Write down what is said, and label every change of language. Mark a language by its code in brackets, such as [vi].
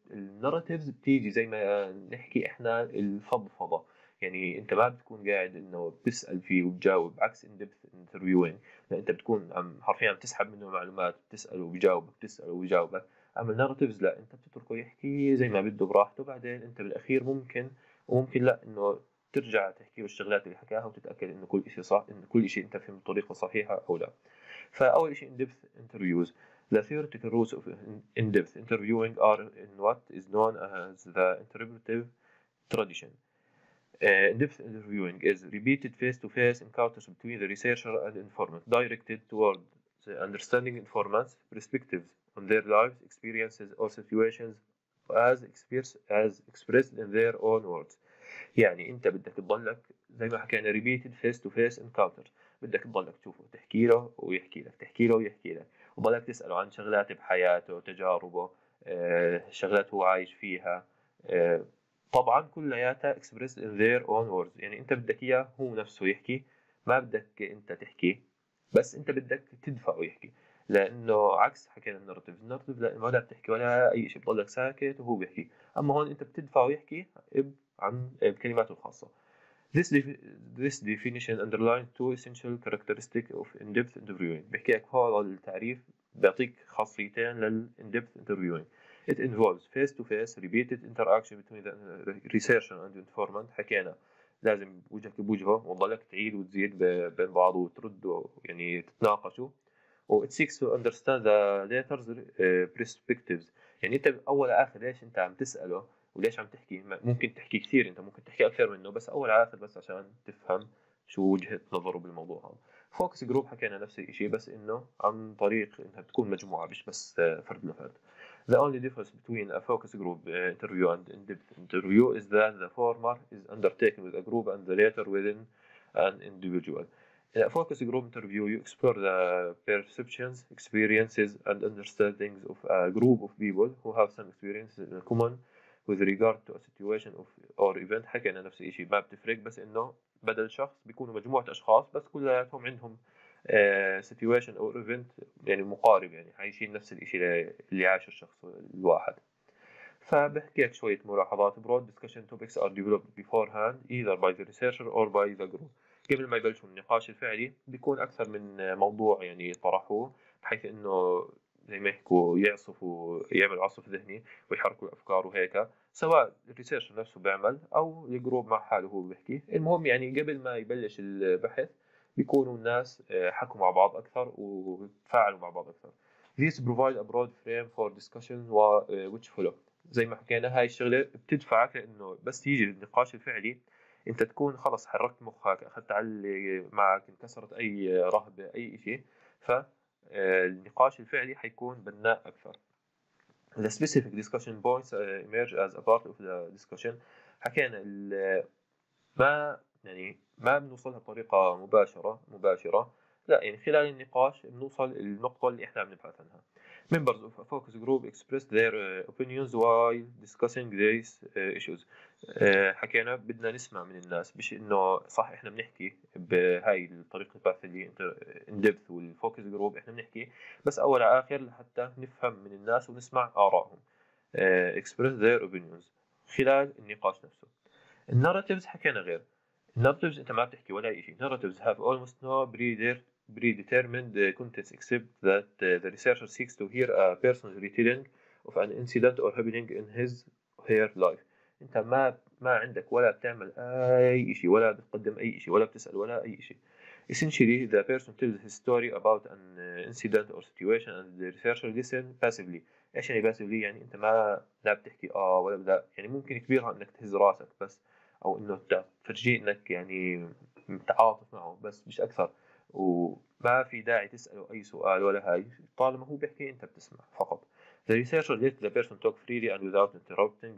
[ar] الناراتيفز بتيجي زي ما نحكي احنا الفضفضه، يعني انت ما بتكون قاعد انه بتسال فيه وبتجاوب، عكس ان ديبث انترفيوينج انت بتكون عم حرفيا عم تسحب منه معلومات، بتساله وبيجاوب، بتساله وبيجاوبك. اما الناراتيفز لا، انت بتتركه يحكي زي ما بده براحته، بعدين انت بالاخير ممكن وممكن لا انه ترجع تحكي له الشغلات اللي حكاها وتتاكد انه كل شيء صح، انه كل شيء انت فهمته بطريقه صحيحه او لا. فاول شيء ان ديبث انترفيوز. [en] The theoretical rules of in-depth interviewing are in what is known as the interpretive tradition. In-depth interviewing is repeated face-to-face encounters between the researcher and informant, directed toward the understanding informants' perspectives on their lives, experiences, or situations as expressed in their own words. [ar] يعني انت بدك تضلك زي ما حكينا [en] repeated face-to-face encounters، [ar] بدك تضلك تشوفه تحكي له ويحكي لك، تحكي له ويحكي لك، وبدك تسأله عن شغلات بحياته، تجاربه، شغلات هو عايش فيها. طبعا كل ياتا [en] expressed in their own words، [ar] يعني انت بدك اياه هو نفسه يحكي، ما بدك انت تحكي، بس انت بدك تدفعه يحكي، لانه عكس حكينا النارتيف لا، ما بدك تحكي ولا اي شيء، بضلك ساكت وهو بيحكي. اما هون انت بتدفعه يحكي عن كلماته الخاصه. [en] This definition underlines two essential characteristics of in-depth interviewing. [ar] بحكي لك هذا التعريف بيعطيك خاصيتين لل-in-depth interviewing. [en] It involves face-to-face repeated interaction between the researcher and the informant. [ar] حكينا لازم وجهك بوجهه وضلك تعيد وتزيد بين بعض وترد يعني تتناقشوا. [en] It seeks to understand the latter's perspectives. [ar] يعني انت اول اخر ليش انت عم تسأله وليش عم تحكي؟ ممكن تحكي كثير، انت ممكن تحكي اكثر منه، بس اول عاخر بس عشان تفهم شو وجهة نظره بالموضوع. فوكس جروب حكينا نفس الشيء، بس انه عن طريق انها بتكون مجموعة مش بس فرد لفرد. [en] The only difference between a focus group interview and in-depth interview is that the former is undertaken with a group and the latter within an individual. In a focus group interview you explore the perceptions, experiences and understandings of a group of people who have some experiences in common with regard to a situation of or event. [ar] حكينا نفس الشيء، ما بتفرق، بس انه بدل شخص بيكونوا مجموعة اشخاص بس كلياتهم عندهم [en] situation or event [ar] يعني مقارب، يعني عايشين نفس الشيء اللي عاش الشخص الواحد. فبحكي لك شوية ملاحظات. [en] broad discussion topics are developed beforehand either by the researcher or by the group. [ar] قبل ما يبلشوا النقاش الفعلي بيكون اكثر من موضوع يعني طرحوه، بحيث انه زي ما يحكوا يعصفوا، يعمل عصف ذهني ويحركوا الأفكار وهيك، سواء الريسيرش نفسه بيعمل أو الجروب مع حاله هو بيحكي. المهم يعني قبل ما يبلش البحث بيكونوا الناس حكوا مع بعض أكثر وتفاعلوا مع بعض أكثر. [en] This provide a broad frame for discussion which follow. [ar] زي ما حكينا هاي الشغلة بتدفعك لأنه بس يجي النقاش الفعلي أنت تكون خلص حركت مخك، أخذت علي معك، انكسرت أي رهبة أي شيء، ف النقاش الفعلي حيكون بناء أكثر. [en] the specific discussion points emerge as a part of the discussion. [ar] حكينا ما يعني ما بنوصلها بطريقة مباشرة لا يعني خلال النقاش بنوصل النقطة اللي احنا بنبحث عنها. [en] Members of a focus group express their opinions while discussing these issues. [ar] حكينا بدنا نسمع من الناس مش انه صح احنا بنحكي بهاي الطريقة البحث اللي in-depth والfocus group احنا بنحكي بس اول اخر لحتى نفهم من الناس ونسمع آرائهم. [en] Express their opinions [ar] خلال النقاش نفسه. Narratives حكينا غير. [en] Narratives [ar] انت ما بتحكي ولا اي شيء. [en] Narratives have almost no predetermined contents except that the researcher seeks to hear a person's retelling of an incident or happening in his or her life. [ar] انت ما عندك ولا بتعمل اي شيء ولا بتقدم اي شيء ولا بتسال ولا اي شيء. [en] Essentially the person tells his story about an incident or situation and the researcher listens passively. [ar] ايش يعني passively؟ يعني انت ما لا بتحكي ولا بدا يعني ممكن كبيرها انك تهز راسك بس او انه تفرجي انك يعني متعاطف معه بس مش اكثر وما في داعي تسأله أي سؤال ولا هاي طالما هو بيحكي أنت بتسمع فقط. [en] The researcher lets the person talk freely and without interrupting.